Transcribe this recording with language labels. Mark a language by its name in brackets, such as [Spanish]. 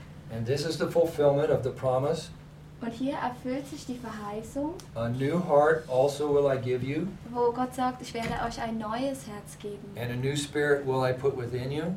[English] And this is the fulfillment of the promise. [German] Und hier erfüllt sich die Verheißung. [English] A new heart also will I give you. [German] Wo Gott sagt, ich werde euch ein neues Herz geben. [English] And a new spirit will I put within you.